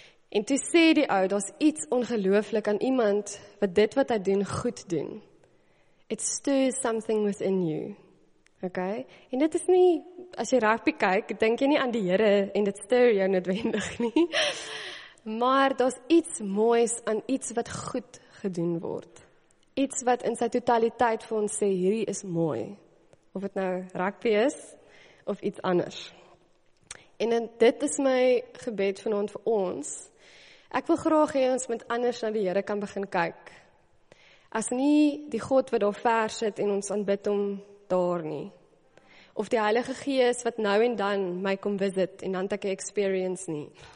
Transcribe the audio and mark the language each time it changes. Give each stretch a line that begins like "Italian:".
Afrikaans: En toe sê die ou, daar is iets ongelooflik aan iemand wat dit wat hy doen, goed doen.
English: It stirs something within you. Okay?
Afrikaans: En dit is nie, as jy rugby kyk, denk jy nie aan die Here en dit stir jou noodwendig nie. Maar daar is iets moois aan iets wat goed gedoen word. Iets wat in sy totaliteit vir ons sê, hierdie is mooi. Of het nou rugby is, of iets anders. En dit is my gebed vanavond vir ons. Ek wil graag hê ons met anders na die Here kan begin kyk. As nie die God wat daar ver sit en ons aanbid om daar nie. Of die Heilige Gees wat nou en dan my kom visit en dan ek 'n experience nie.